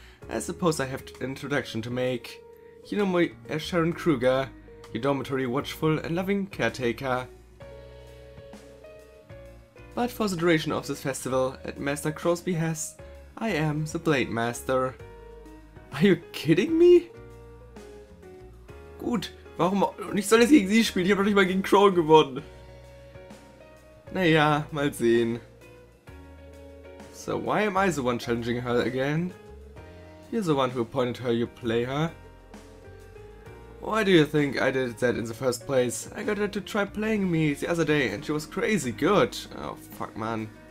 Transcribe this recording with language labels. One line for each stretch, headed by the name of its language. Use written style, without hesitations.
English: I suppose I have an introduction to make. You know me as Sharon Kruger, your dormitory watchful and loving caretaker. But for the duration of this festival, at Master Crow's behest, I am the Blade Master. Are you kidding me?
German: Gut, warum nicht soll jetzt gegen sie spielen? Ich habe doch nicht mal gegen Crow gewonnen. Naja, mal sehen.
English: So, why am I the one challenging her again? You're the one who appointed her, you play her. Why do you think I did that in the first place? I got her to try playing me the other day and she was crazy good. Oh, fuck, man.